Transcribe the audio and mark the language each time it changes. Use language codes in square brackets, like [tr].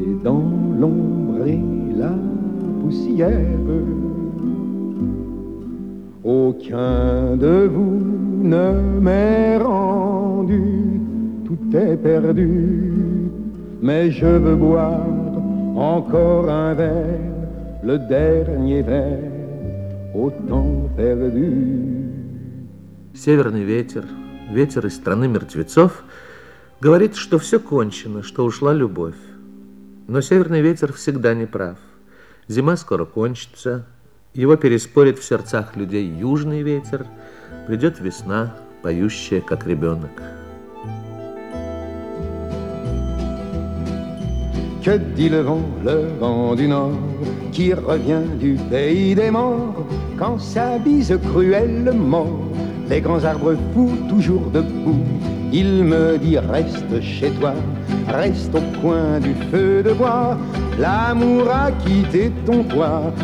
[fr] Dans l'ombre et la poussière, aucun de vous ne m'est rendu, tout est perdu, mais je veux boire encore un verre, le dernier verre au temps perdu. [ru] Северный ветер, ветер из страны мертвецов, говорит, что все кончено, что ушла любовь. Но северный ветер всегда неправ. Зима скоро кончится, Его переспорит в сердцах людей южный ветер, придет весна, поющая, как ребенок. [fr] Que dit le vent du nord, qui revient du pays des morts, quand sa bise cruelle mord, les grands arbres fous toujours debout. Il me dit reste chez toi, reste au coin du feu de bois, l'amour a quitté ton toit.